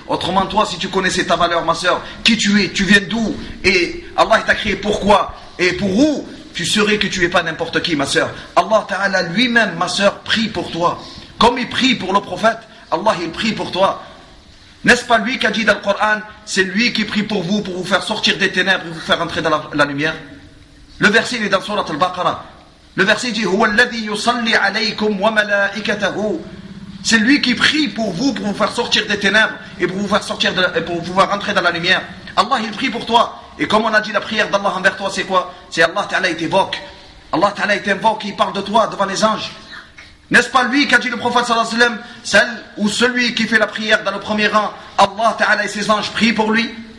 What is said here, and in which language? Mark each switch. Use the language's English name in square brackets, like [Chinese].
[French] Autrement, toi, si tu connaissais ta valeur, ma soeur, qui tu es, tu viens d'où, et Allah t'a créé pourquoi et pour où, tu saurais que tu n'es pas n'importe qui, ma sœur. Allah Ta'ala lui-même, ma sœur, prie pour toi. Comme il prie pour le prophète, Allah, il prie pour toi. N'est-ce pas lui qui a dit dans le Coran, c'est lui qui prie pour vous faire sortir des ténèbres et vous faire entrer dans la lumière? Le verset, il est dans Surat Al-Baqarah. Le verset dit, [Arabic] هو الذي يصلي عليكم وملائكته. [French] C'est lui qui prie pour vous faire sortir des ténèbres et pour vous faire sortir de, et pour vous faire entrer dans la lumière. Allah, il prie pour toi. Et comme on a dit, la prière d'Allah envers toi, c'est quoi? C'est Allah Ta'ala, il t'évoque. Allah Ta'ala, il t'invoque, il parle de toi devant les anges. N'est-ce pas lui qu'a dit le prophète sallallahu alayhi wa sallam, celle ou celui qui fait la prière dans le premier rang, Allah Ta'ala et ses anges prient pour lui?